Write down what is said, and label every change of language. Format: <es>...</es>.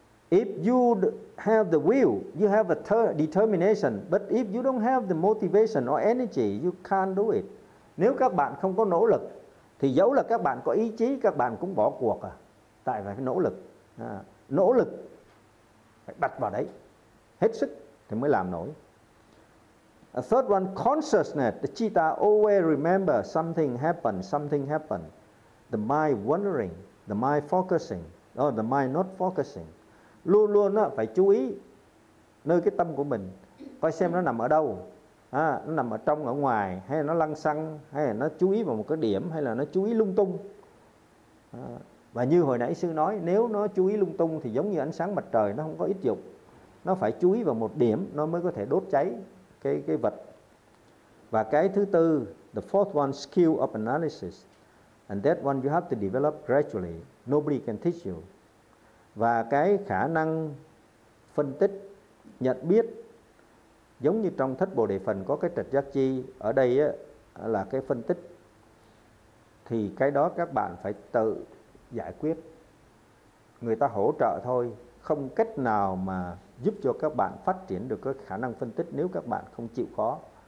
<en>If you have the will, you have a determination. But if you don't have the motivation or energy, you can't do it.</en> <vi>Nếu các bạn không có nỗ lực thì dẫu là các bạn có ý chí, các bạn cũng bỏ cuộc à. Tại phải nỗ lực. Nỗ lực phải đặt vào đấy, hết sức thì mới làm nổi.</vi> <en>A third one, consciousness. The citta always remember something happened, something happened. The mind wandering, the mind focusing, or the mind not focusing.</en> <vi>Luôn luôn phải chú ý nơi cái tâm của mình, coi xem nó nằm ở đâu. Nó nằm ở trong, ở ngoài, hay là nó lăng xăng, hay là nó chú ý vào một cái điểm, hay là nó chú ý lung tung. Và như hồi nãy sư nói, nếu nó chú ý lung tung thì giống như ánh sáng mặt trời, nó không có ích dụng. nó phải chú ý vào một điểm nó mới có thể đốt cháy cái vật. Và cái thứ tư,</vi> <en>the fourth one, skill of analysis, and that one you have to develop gradually, nobody can teach you.</en> <vi>Và cái khả năng phân tích nhận biết, giống như trong Thất Bồ Đề Phần có cái Trạch Giác Chi, ở đây á là cái phân tích, thì cái đó các bạn phải tự giải quyết, người ta hỗ trợ thôi, không cách nào mà giúp cho các bạn phát triển được cái khả năng phân tích nếu các bạn không chịu khó.</vi>